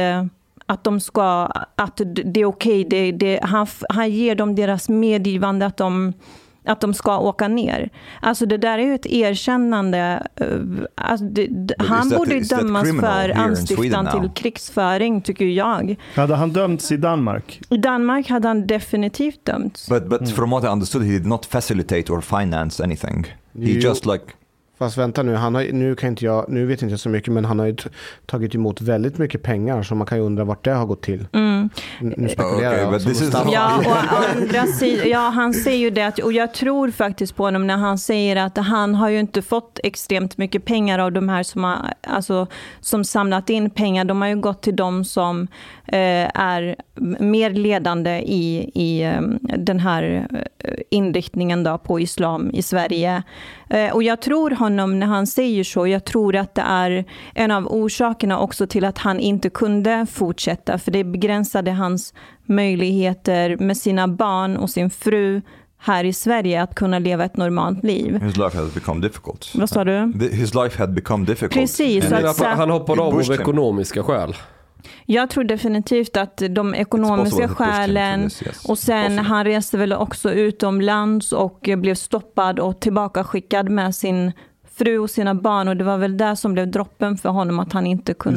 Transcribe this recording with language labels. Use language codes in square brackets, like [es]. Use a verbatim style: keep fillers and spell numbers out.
[sv] Eh, Att, de ska, att det är okej. Det, det, han, han ger dem deras medgivande att de, att de ska åka ner. Alltså det där är ju ett erkännande. Alltså det, han that, borde dömas för anstiftan till krigsföring, tycker jag. Hade han dömts i Danmark? I Danmark hade han definitivt dömts. [en] But, but mm. from what I understood, he did not facilitate or finance anything. He you... just like... [sv] Fast vänta nu, han har, nu, kan inte jag, nu vet inte jag så mycket, men han har ju t- tagit emot väldigt mycket pengar, så man kan ju undra vart det har gått till. Mm. N- nu spekulerar okay, jag. [en] Is... [sv] Ja, och andra sid- ja, han säger ju det, att, och jag tror faktiskt på honom när han säger att han har ju inte fått extremt mycket pengar av de här som, har, alltså, som samlat in pengar. De har ju gått till de som eh, är mer ledande i, i eh, den här inriktningen då, på islam i Sverige. Eh, och jag tror han när han säger så, jag tror att det är en av orsakerna också till att han inte kunde fortsätta, för det begränsade hans möjligheter med sina barn och sin fru här i Sverige att kunna leva ett normalt liv. [en] His life had become difficult. [sv] Vad sa du? [en] His life had become difficult. [sv] Precis, att, så, han hoppade av av ekonomiska skäl. Jag tror definitivt att de ekonomiska skälen, [en] this, yes. [sv] och sen han reste väl också utomlands och blev stoppad och tillbaka skickad med sin fru och sina barn, och det var väl där som blev droppen för honom, att han inte kunde.